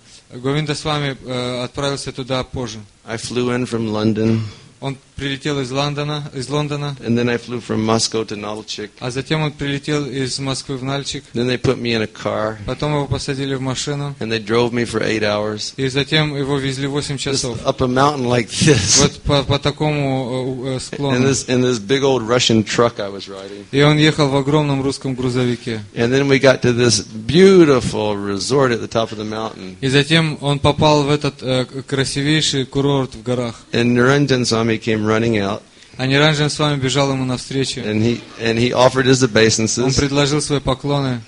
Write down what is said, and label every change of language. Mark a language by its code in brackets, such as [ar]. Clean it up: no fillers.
[ru] Говинда с вами отправился туда позже. [en] I flew in from London. [ru] Он прилетел из Лондона. [en] And then I flew from Moscow to Nalchik. [ru] А затем он прилетел из Москвы в Нальчик. [en] Then they put me in a car. [ru] Потом его посадили в машину. [en] And they drove me for 8 hours. [ru] И затем его везли 8 часов. [en] Just up a mountain like this. [ru] Вот по такому склону. [en] In this big old Russian truck I was riding. [ru] И он ехал в огромном русском грузовике. [en] And then we got to this beautiful resort at the top of the mountain. [ru] И затем он попал в этот красивейший курорт в горах. [en] And Niranjan Swami came running out. [ru] А Ниранджан с вами бежал ему навстречу. [en] And he offered his obeisances. [ru] Он предложил свои поклоны.